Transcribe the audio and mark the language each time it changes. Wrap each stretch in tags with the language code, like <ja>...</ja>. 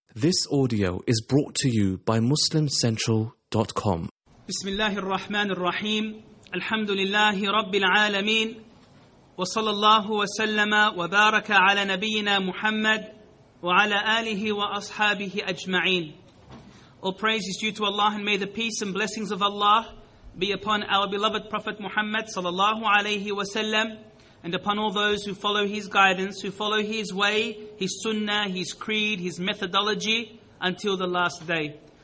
<en>This audio is brought to you by MuslimCentral.com.</en> <ar>بسم الله الرحمن الرحيم الحمد لله رب العالمين وصلى الله وسلم وبارك على نبينا محمد وعلى آله وأصحابه أجمعين.</ar> <en>All praise is due to Allah and may the peace and blessings of Allah be upon our beloved Prophet Muhammad صلى الله عليه وسلم and upon all those who follow his guidance, who follow his way, his sunnah, his creed, his methodology, until the last day.</en>